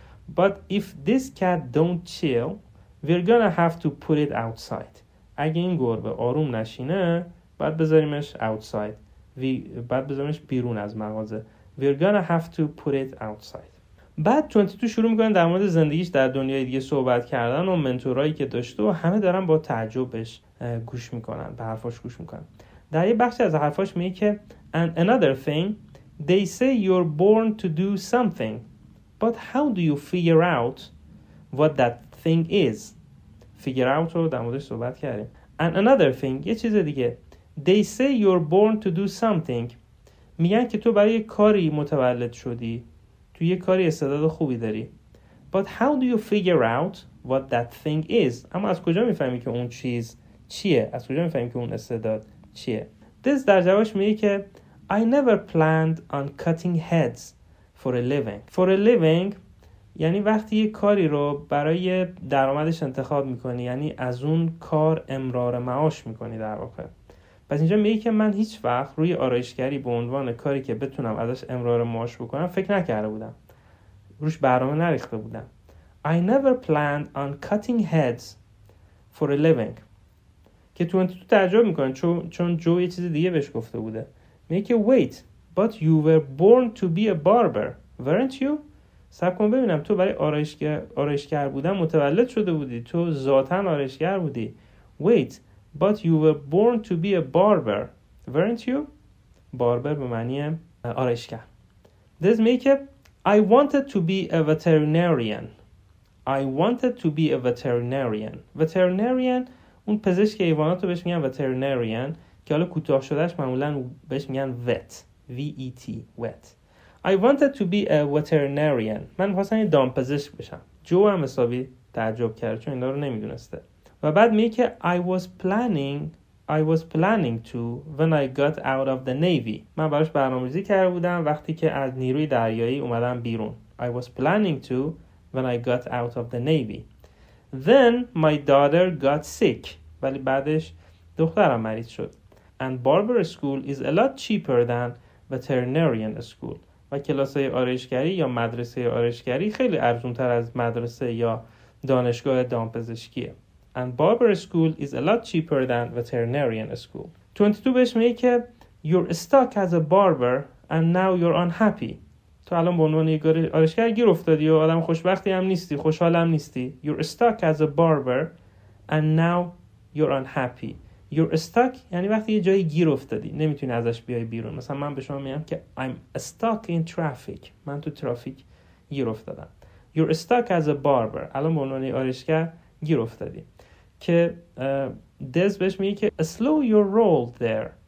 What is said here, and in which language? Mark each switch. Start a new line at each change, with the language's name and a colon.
English: but if this cat don't chill we're gonna have to put it outside.
Persian: اگه این گربه آروم نشینه باید بذاریمش outside، باید بذاریمش بیرون از مغازه.
English: we're gonna have to put it outside.
Persian: بعد 22 شروع میکنه در مورد زندگیش در دنیای دیگه صحبت کردن و منتورایی که داشته و همه دارن با تعجبش گوش میکنن، به حرفاش گوش میکنن. در یه بخش از حرفاش میگه که
English: and another thing they say you're born to do something but how do you figure out what that thing is.
Persian: figure out رو در موردش صحبت کردیم.
English: and another thing
Persian: یه چیز دیگه،
English: they say you're born to do something،
Persian: میگن که تو برای کاری متولد شدی، تو یه کاری استعداد خوبی داری.
English: but how do you figure out what that thing is.
Persian: اما از کجا میفهمی که اون چیز چیه، از کجا میفهمی که اون استعداد چیه. دز در جوابش میگه که
English: I never planned on cutting heads for a living.
Persian: for a living یعنی وقتی یه کاری رو برای درآمدش انتخاب میکنی، یعنی از اون کار امرار معاش میکنی در واقع. پس اینجا میگه که من هیچ وقت روی آرایشگری به عنوان کاری که بتونم ازش امرار معاش بکنم فکر نکرده بودم، روش برنامه نریخته بودم.
English: I never planned on cutting heads for a living.
Persian: که تو تعجب میکنه چون جو یه چیز دیگه بهش گفته بوده. میگه که
English: wait but you were born to be a barber weren't you.
Persian: سب کن ببینم، تو برای آرایشگر بودن متولد شده بودی، تو ذاتاً آرایشگر بودی.
English: wait but you were born to be a barber weren't you.
Persian: باربر به معنی آرایشگر.
English: this make up I wanted to be a veterinarian. I wanted to be a veterinarian.
Persian: veterinarian اون پزشک حیوانات رو بهش میگن veterinarian، که حالا کوتاه شدهش معمولاً بهش میگن vet vet vet.
English: I wanted to be a veterinarian.
Persian: من می‌خواستم یه دامپزشک بشم. جو هم حسابی تعجب کرد چون اینا رو نمیدونسته. و بعد میگه که
English: I was planning to when I got out of the Navy.
Persian: من براش برنامه‌ریزی کرده بودم وقتی که از نیروی دریایی اومدم بیرون.
English: I was planning to when I got out of the Navy. Then my daughter got sick.
Persian: ولی بعدش دخترم مریض شد.
English: And barber school is a lot cheaper than veterinarian school.
Persian: و کلاس‌های آرایشگری یا مدرسه آرایشگری خیلی ارزون‌تر از مدرسه یا دانشگاه دامپزشکیه.
English: And barber school is a lot cheaper than veterinarian school.
Persian: 22 بهش میگه که
English: You're stuck as a barber and now you're unhappy.
Persian: تو الان به عنوان یک آرایشگر گیر افتادی و آدم خوشبختی هم نیستی، خوشحالم نیستی.
English: You're stuck as a barber and now you're unhappy.
Persian: You're stuck یعنی وقتی یه جایی گیر افتادی نمیتونی ازش بیای بیرون. مثلا من به شما میگم که
English: I'm stuck in traffic.
Persian: من تو ترافیک گیر افتادم.
English: You're stuck as a barber.
Persian: الان به عنوان آرایشگر گیر افتادی. که دز بهش میگه که
English: slow your roll there.